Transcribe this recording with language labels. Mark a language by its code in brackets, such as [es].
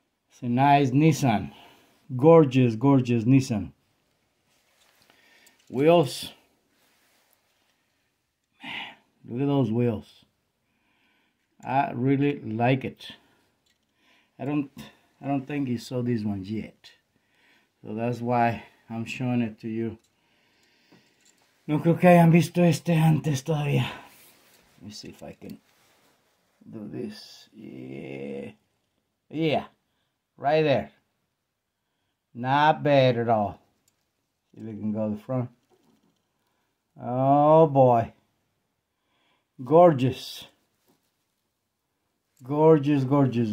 [en] It's a nice Nissan. Gorgeous, gorgeous Nissan. Wheels. Look at those wheels. I really like it. I don't think you saw these ones yet. So that's why I'm showing it to you. [es] No creo que hayan visto este antes todavía. [en] Let me see if I can do this. Yeah. Right there. Not bad at all. See if we can go to the front. Oh boy. Gorgeous, gorgeous, gorgeous.